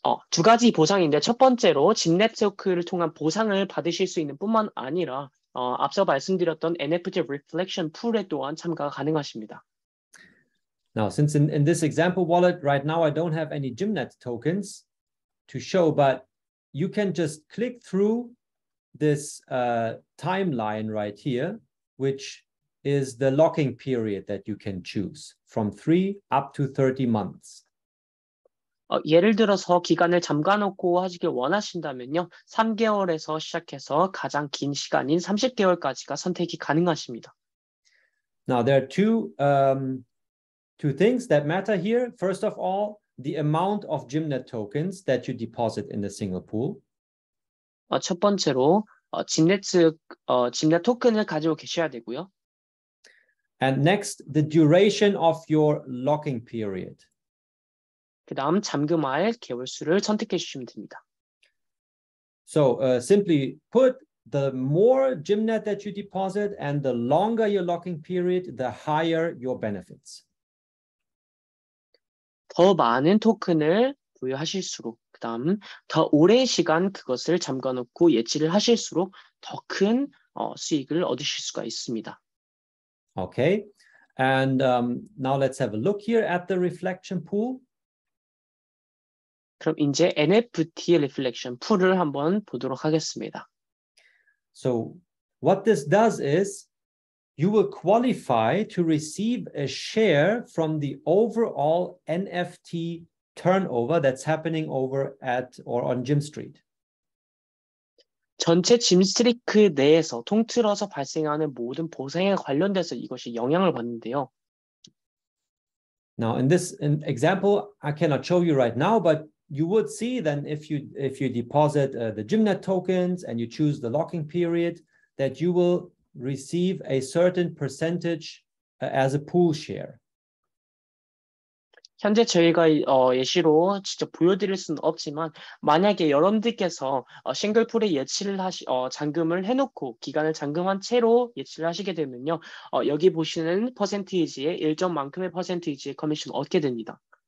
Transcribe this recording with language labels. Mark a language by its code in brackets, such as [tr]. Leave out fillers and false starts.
[ko] 두 가지 보상인데 첫 번째로 집 네트워크를 통한 보상을 받으실 수 있는 뿐만 아니라 앞서 말씀드렸던 NFT Reflection 풀에 또한 참가 가능하십니다. [en] Now, since in this example wallet right now I don't have any Gymnet tokens to show, but you can just click through this timeline right here, which is the locking period that you can choose from 3 up to 30 months. [ko] 예를 들어서 기간을 잠가놓고 하시길 원하신다면요, 3개월에서 시작해서 가장 긴 시간인 30개월까지가 선택이 가능하십니다. [en] Now there are two things that matter here. First of all, the amount of Gymnet tokens that you deposit in the single pool. [ko] 첫 번째로 Gymnet 토큰을 가지고 계셔야 되고요. [en] And next, the duration of your locking period. [ko] 그 다음 잠금할 개월 수를 선택해 주시면 됩니다. [en] So simply put, the more Gymnet that you deposit and the longer your locking period, the higher your benefits. [ko] 더 많은 토큰을 부여하실수록, 그 다음 더 오랜 시간 그것을 잠가놓고 예치를 하실수록 더 큰 수익을 얻으실 수가 있습니다. [en] Okay, and now let's have a look here at the reflection pool. [ko] 그럼 이제 NFT reflection pool을 한번 보도록 하겠습니다. [en] So what this does is you will qualify to receive a share from the overall NFT turnover that's happening over at or on Gym Street. [ko] 전체 Gym Street 내에서 통틀어서 발생하는 모든 보상에 관련돼서 이것이 영향을 받는데요. [en] Now, in this example, I cannot show you right now, but you would see then if you deposit the Gymnet tokens and you choose the locking period, that you will receive a certain percentage as a pool share. [ko] 현재 저희가 예시로 직접 보여드릴 수는 없지만 만약에 여러분들께서 싱글풀에 예치를 하시 잠금을 해놓고 기간을 잠금한 채로 예치를 하시게 되면요, 여기 보시는 퍼센티지의 일정만큼의 퍼센티지의 커미션을 얻게 됩니다.